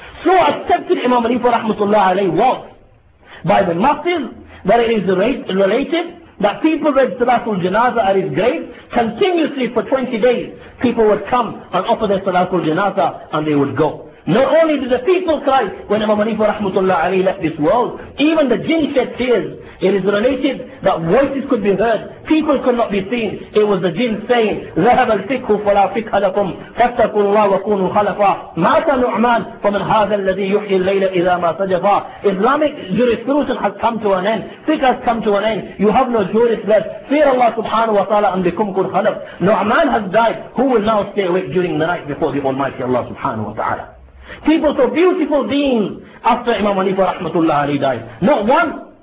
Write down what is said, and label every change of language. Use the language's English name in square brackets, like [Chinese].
[English] So accepted Imam Hanifa rahmatullah alayh was by the masses, that it is related that people read Salatul Janazah at his grave continuously for 20 days. People would come and offer their Salatul Janazah and they would go. Not only did the people cry when Imam Hanifa rahmatullah alayhi left this world, even the jinn shed tears. It is related that voices could be heard, people could not be seen. It was the jinn saying, [Arabic] ذَهَبَ الْفِكْهُ فَلَا فِكْهَ لَكُمْ فَاتَّقُوا اللَّهُ وَكُونُوا خَلَفًا مَاتَ نُعْمَانُ فَمَنْ هَذَا الَّذِي يُحْيِي اللَّيْلَ إِذَا مَا سَجَفَا. [English] Islamic jurisprudence has come to an end. Fiqh has come to an end. You have no jurist left. Fear Allah subhanahu wa ta'ala and become kun khalaf. Nu'man has died. Who will now stay awake during the night before the Almighty Allah subhanahu wa ta'ala? People saw beautiful beings after Imam Hanifa rahmatullah alayhi died. Not one.